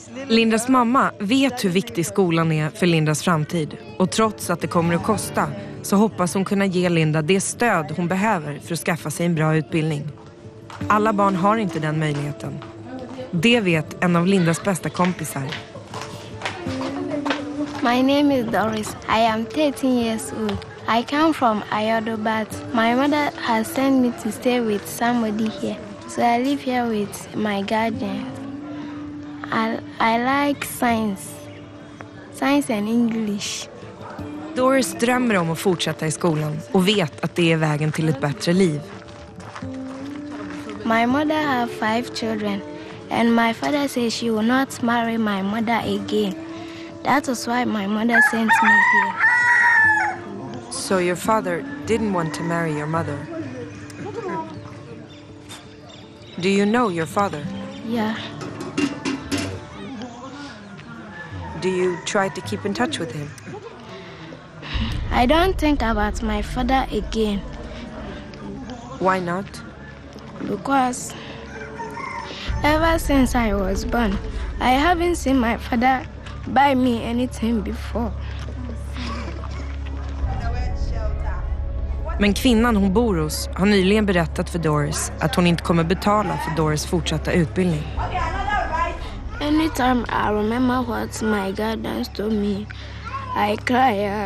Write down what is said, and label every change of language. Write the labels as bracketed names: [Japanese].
[Swedish] Lindas mamma vet hur viktig skolan är för Lindas framtid. Och trots att det kommer att kosta så hoppas hon kunna ge Linda det stöd hon behöver för att skaffa sig en bra utbildning. Alla barn har inte den möjligheten. Det vet en av Lindas bästa kompisar. [English] My name is Doris. I am 13 years old. I come from Ayodo, but my mother has sent me to stay with somebody here. So I live here with my guardian. I like science and English. [Swedish] Doris drömmer om att fortsätta i skolan och vet att det är vägen till ett bättre liv. [English] My mother have 5 children and my father says she will not marry my mother again. That is why my mother sent me here. So your father didn't want to marry your mother. Do you know your father? Yeah. Do you try to keep in touch with him? I don't think about my father again. Why not? Because ever since I was born, I haven't seen my father buy me anything before. [Swedish] Men kvinnan hon bor hos har nyligen berättat för Doris att hon inte kommer betala för Doris fortsatta utbildning. [English] Anytime I remember what my guardian told me, I cry.